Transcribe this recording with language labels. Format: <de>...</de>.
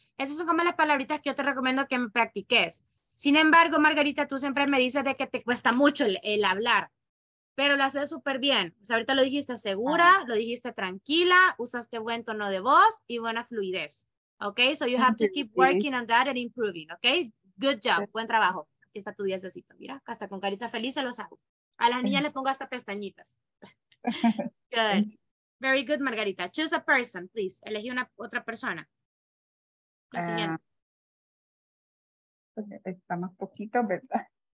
<es>Esas son como las palabritas que yo te recomiendo que me practiques. Sin embargo, Margarita, tú siempre me dices de que te cuesta mucho el hablar. Pero lo haces súper bien. O sea, ahorita lo dijiste segura, lo dijiste tranquila, usaste buen tono de voz y buena fluidez.</es> <en>Ok, so you have to keep working on that and improving. Ok, good job,</en> <es>buen trabajo. Aquí está tu diecito, mira, hasta con carita feliz se los hago. A las niñas les pongo hasta pestañitas.</es> <en>Good. Very good,</en> <es>Margarita.</es> <en>Choose a person, please.</en> <es>Elegí una otra persona. La siguiente. Está más poquito, ¿verdad?</es>